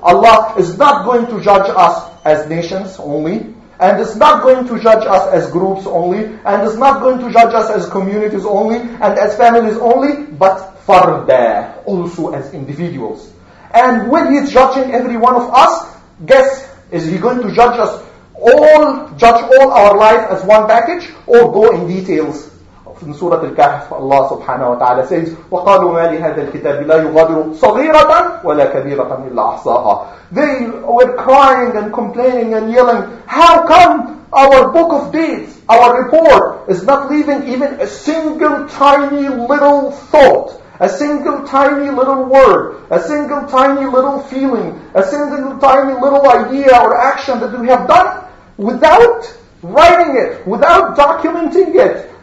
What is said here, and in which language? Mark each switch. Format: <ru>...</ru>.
<en>Allah is not going to judge us as nations only, and is not going to judge us as groups only, and is not going to judge us as communities only, and as families only, but farda, also as individuals. And when he's judging every one of us, guess, is he going to judge all our life as one package, or go in details? In Surah Al-Kahf, Allah subhanahu wa ta'ala says,</en> <ar>وَقَالُوا مَا لِهَذَا الْكِتَابِ لَا يُغَادِرُ صَغِيرَةً وَلَا كَبِيرَةً إِلَّا أَحْصَاهَا.</ar> <en>They were crying and complaining and yelling, how come our book of deeds, our report, is not leaving even a single tiny little thought, a single tiny little word, a single tiny little feeling, a single tiny little idea or action that we have done without writing it, without documenting it?</en>